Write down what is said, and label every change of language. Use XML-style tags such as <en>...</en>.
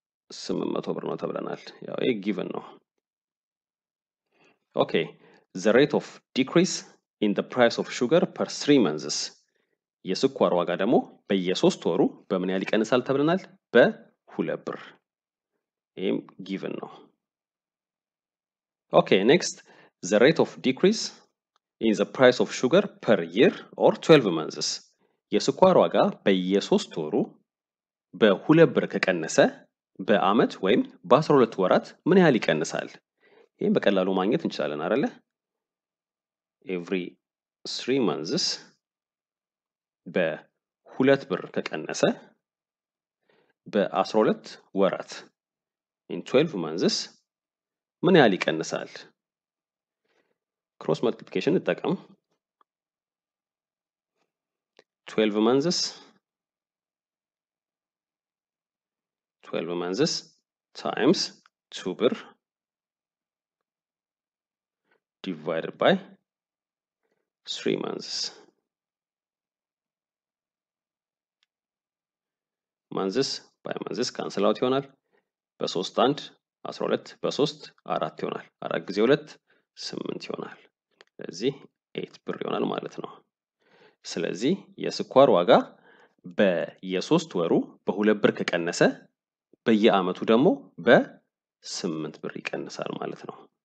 <am>5800 ብር ነው ተብለናል። ያው ይሄ given ነው።</am> <en>Okay, the rate of decrease in the price of sugar per 3 months.</en> <am>የስኳር ዋጋ ደግሞ በየሶስት ወሩ በምን ያህል ይቀንሳል ተብለናል? በሁለት ብር። ይሄም given ነው።</am> <en>Okay, next, the rate of decrease in the price of sugar per year or 12 months.</en> <am>የስኳር ዋጋ በየሶስት ወሩ በሁለት ብር ከቀነሰ በአመት ወይም በ12 ወራት ምን ያህል ይቀንሳል? ይሄን በቀላሉ ማግኘት እንችላለን አይደል?</am> <en>Every 3 months</en> <am>በሁለት ብር ከቀነሰ በ12 ወራት</am> <en>in 12 months</en> <am>ምን ያህል ይቀንሳል? ክሮስ ማልቲፕሊኬሽን እንጠቀም።</am> <en>12 months 12 months times 2 birr divided by 3 months. Months by months cancel out</en> <am>ይሆናል። በሶስት አንድ 12 በ3 4 ይሆናል። 4 ጊዜ 2 8 ይሆናል። ስለዚህ 8 ብር ይሆናል ማለት ነው። ስለዚህ የስኳር ዋጋ በየሶስት ወሩ በሁለት ብር ከቀነሰ በየአመቱ ደግሞ በ8 ብር ይቀንሳል ማለት ነው።</am>